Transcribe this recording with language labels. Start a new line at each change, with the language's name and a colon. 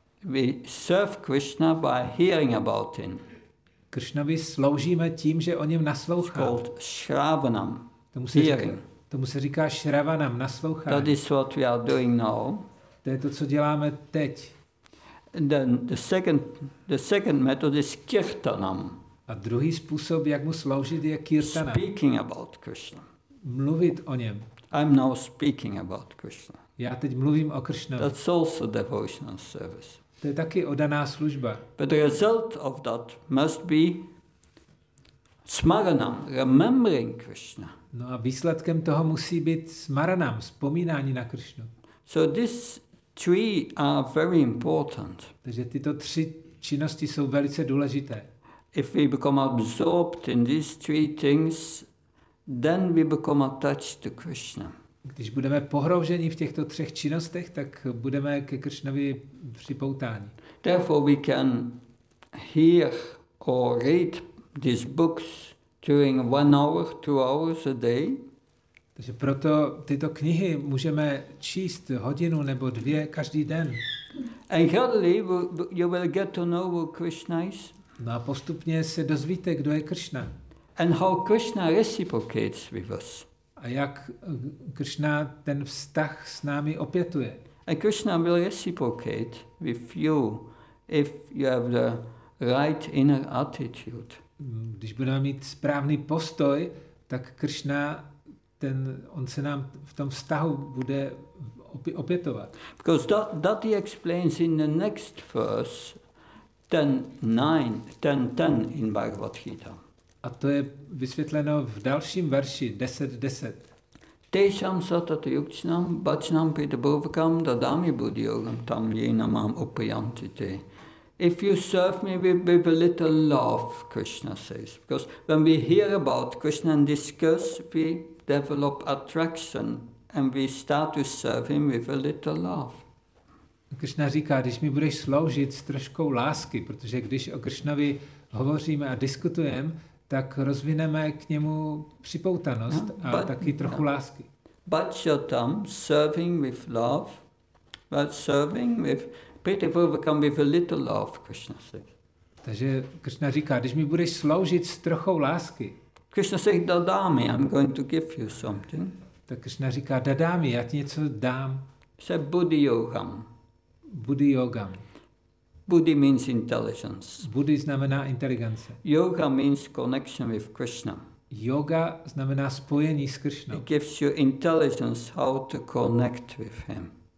English: We serve Krishna by hearing about him.
Czech: Krishnovi sloužíme tím, že o něm nasloucháme.
English: It's called shravanam, hearing.
Czech: Tomu se říká shravanam, naslouchání.
English: That is what we are doing now.
Czech: To je to, co děláme teď.
English: And then the second method is kirtanam.
Czech: A druhý způsob, jak mu sloužit, je kirtanam.
English: Speaking about Krishna.
Czech: Mluvit o něm.
English: I'm now speaking about Krishna.
Czech: Já teď mluvím o Kršnovi.
English: That's also devotional service.
Czech: To je taky oddaná služba.
English: But the result of that must be smaranam, remembering Krishna.
Czech: No a výsledkem toho musí být smaranam, vzpomínání na Krishnu.
English: So these three are very important.
Czech: Takže tyto tři činnosti jsou velice důležité.
English: If we become absorbed in these three things, then we become attached to Krishna.
Czech: Když budeme pohrouženi v těchto třech činnostech, tak budeme ke Krishnovi připoutáni.
English: Therefore we can hear or read these books during 1 hour, 2 hours a day.
Czech: Takže proto tyto knihy můžeme číst hodinu nebo dvě každý den.
English: And gradually you will get to know who Krishna is.
Czech: No a postupně se dozvíte, kdo je Krishna.
English: And how Krishna reciprocates with us.
Czech: A jak Krishna ten vztah s námi opětuje.
English: And Krishna will reciprocate with you if you have the right inner attitude.
Czech: Když budeme mít správný postoj, tak Krishna ten, on se nám v tom vztahu bude opětovat.
English: Because that he explains in the next verse, 10:9, 10:10 in Bhagavad Gita.
Czech: A to je vysvětleno v dalším verši 10:10.
Sanskrit: Tejsham satata yukchnam bachnam pitabhuvakam dadami buddhiyogam tam yenamam upayantite.
English: If you serve me with a little love, Krishna says. Because when we hear about Krishna and discuss, we develop attraction and we start to serve him with a little love.
Czech: Krishna říká, když mi budeš sloužit s troškou lásky, protože když o Krishnovi hovoříme a diskutujeme, tak rozvineme k němu připoutanost a taky trochu lásky.
English: Bhajatam, serving with love, but serving with pretty overcome with a little love, Krishna says.
Czech: Takže Krishna říká, když mi budeš sloužit s trochou lásky.
English: Krishna says, dadami, I'm going to give you something.
Czech: Tak Krishna říká, dadami, já ti něco dám.
Sanskrit: Se buddhi yogam. Buddhi yogam.
English: Buddhi means intelligence.
Czech: Buddhi znamená inteligence.
English: Yoga means connection with Krishna.
Czech: Yoga znamená spojení s Krishnou.
English: It gives you intelligence how to connect with him.